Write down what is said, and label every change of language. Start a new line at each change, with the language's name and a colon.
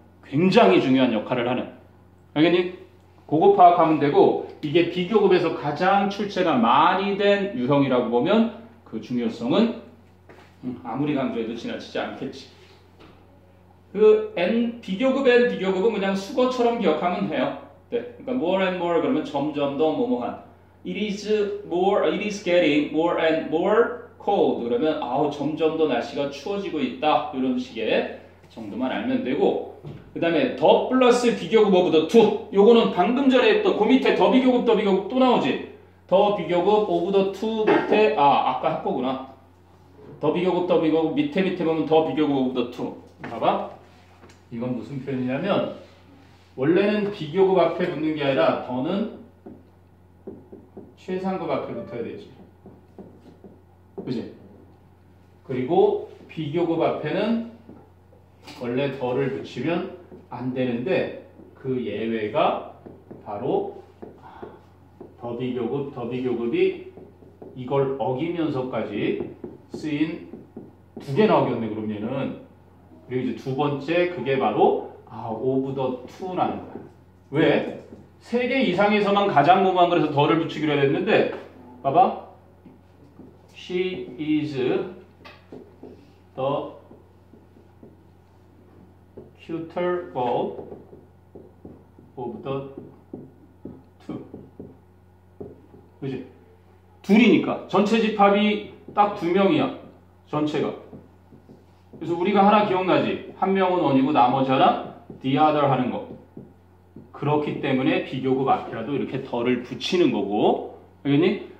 Korean: 굉장히 중요한 역할을 하는. 알겠니? 그거 파악하면 되고 이게 비교급에서 가장 출제가 많이 된 유형이라고 보면 그 중요성은 아무리 강조해도 지나치지 않겠지. 그 N 비교급 N 비교급은 그냥 수거처럼 기억하면 해요. 네. 그러니까
English: more and more
Korean: 그러면 점점 더 뭐뭐한.
English: It is more, it is getting more and more cold.
Korean: 그러면 아우 점점 더 날씨가 추워지고 있다. 이런 식의 정도만 알면 되고. 그 다음에 더 플러스 비교급 오브 더 투. 요거는 방금 전에 했던 그 밑에 더 비교급 더 비교급 또 나오지. 더 비교급 오브 더 투 밑에 아 아까 할 거구나. 더 비교급 더 비교급 밑에 밑에 보면 더 비교급 오브 더 투. 봐봐. 이건 무슨 표현이냐면 원래는 비교급 앞에 붙는 게 아니라 더는 최상급 앞에 붙어야 되지. 그지? 그리고 비교급 앞에는 원래 더를 붙이면 안 되는데 그 예외가 바로 더비교급, 더비교급이 이걸 어기면서까지 쓰인 두 개나 어겼네, 그럼 얘는. 그리고 이제 두 번째 그게 바로 아, 오브 더 투라는 거야. 왜? 세 개 이상에서만 가장 무모한 그래서 더를 붙이기로 했는데 봐봐.
English: She is the cuter girl of the two.
Korean: 그지? 둘이니까. 전체 집합이 딱 두 명이야. 전체가. 그래서 우리가 하나 기억나지? 한 명은 원이고 나머지 하나 the other 하는 거. 그렇기 때문에 비교급 앞이라도 이렇게 덜을 붙이는 거고. 알겠니?